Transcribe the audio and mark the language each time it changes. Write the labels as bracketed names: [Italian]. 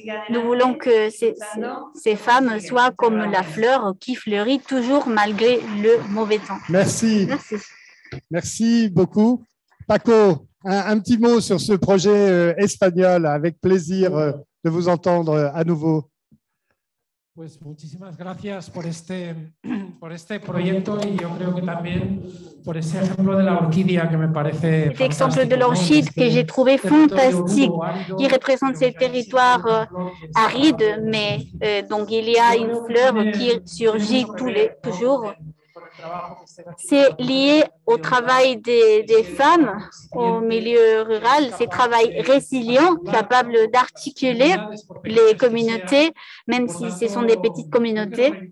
[French] Nous voulons que ces femmes soient comme la fleur qui fleurit toujours malgré le mauvais temps. Merci. Merci beaucoup. Paco, un petit mot sur ce projet espagnol, avec plaisir de vous entendre à nouveau. [Spanish] Pues muchísimas gracias por este proyecto y yo creo que también por ese ejemplo de la orquídea que me parece fantástico. [French] Cet exemple de l'orchide que j'ai trouvé fantastique, qui représente ces territoires arides, mais donc il y a une fleur qui surgit toujours. C'est lié au travail des femmes au milieu rural, ces travails résilients, capables d'articuler les communautés, même si ce sont des petites communautés.